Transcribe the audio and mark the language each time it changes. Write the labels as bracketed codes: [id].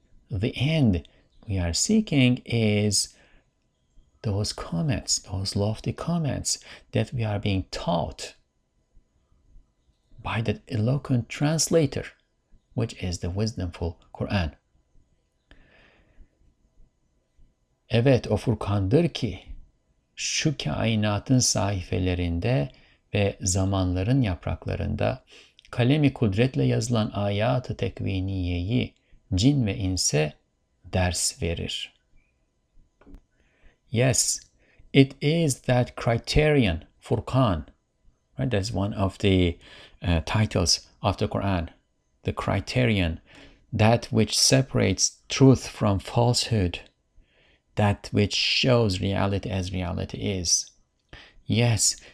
[en] The end we are seeking is those comments, those lofty comments that we are being taught by that eloquent translator, which is the wisdomful Quran. [tr] Evet, o Furkan'dır ki şu kainatın sayfelerinde ve zamanların yapraklarında kalemi kudretle yazılan ayat-ı tekviniyeyi cin ve inse ders verir. [en] Yes, it is that criterion, Furkan. Right? That's one of the titles of the Quran. The criterion, that which separates truth from falsehood, that which shows reality as reality is. Yes,